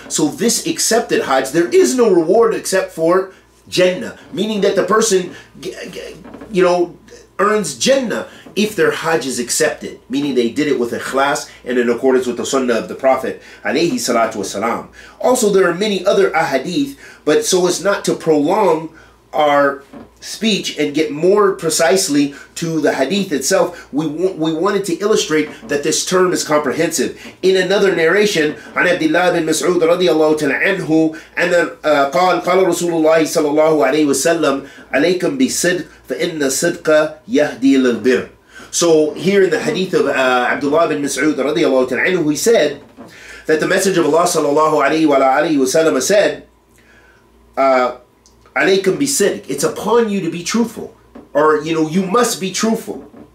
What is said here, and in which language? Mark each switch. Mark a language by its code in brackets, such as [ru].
[en] So this accepted hajj, there is no reward except for jannah, meaning that the person, you know, earns jannah if their hajj is accepted, meaning they did it with ikhlas and in accordance with the sunnah of the Prophet alayhi salatu wasalam. Also, there are many other ahadith, but so as not to prolong our speech and get more precisely to the hadith itself, we wanted to illustrate that this term is comprehensive. In another narration, [ar] عن عبد الله بن مسعود رضي الله تعالى عنه أن قال رسول الله صلى الله عليه وسلم عليكم بصدق فإن صدق يهدي للبر. [en] So here in the hadith of Abdullah bin Mas'ud [ar] رضي الله تعالى عنه, [en] he said that the message of Allah [ar] صلى الله عليه وسلم [en] said, [ar] alaykum be siddiq, [en] it's upon you to be truthful, or you know, you must be truthful.